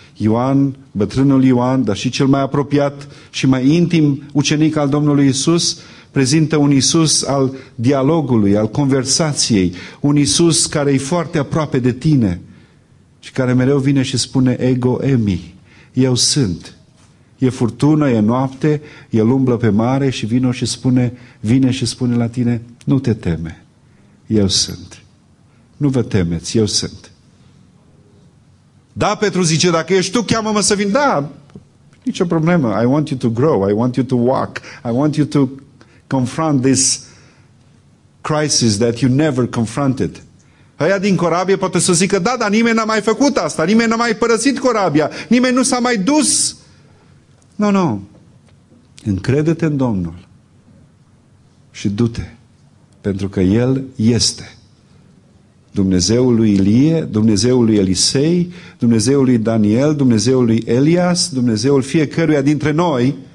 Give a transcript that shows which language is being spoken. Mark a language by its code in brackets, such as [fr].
[ro] Ioan, bătrânul Ioan, dar și cel mai apropiat și mai intim ucenic al Domnului Iisus, prezintă un Iisus al dialogului, al conversației, un Iisus care e foarte aproape de tine și care mereu vine și spune [el] ego emi, [ro] eu sunt. E furtună, e noapte, el umblă pe mare și vine și spune la tine, nu te teme, eu sunt. Nu vă temeți, eu sunt. Da, Petru zice, dacă ești tu, cheamă-mă să vin. Da, nicio problemă. [en] I want you to grow, I want you to walk, I want you to confront this crisis that you never confronted. [ro] Aia din corabie poate să zică, da, dar nimeni n-a mai făcut asta, nimeni n-a mai părăsit corabia, nimeni nu s-a mai dus. Nu. Încrede-te în Domnul și du-te, pentru că El este Dumnezeul lui Ilie, Dumnezeul lui Elisei, Dumnezeul lui Daniel, Dumnezeul lui Elias, Dumnezeul fiecăruia dintre noi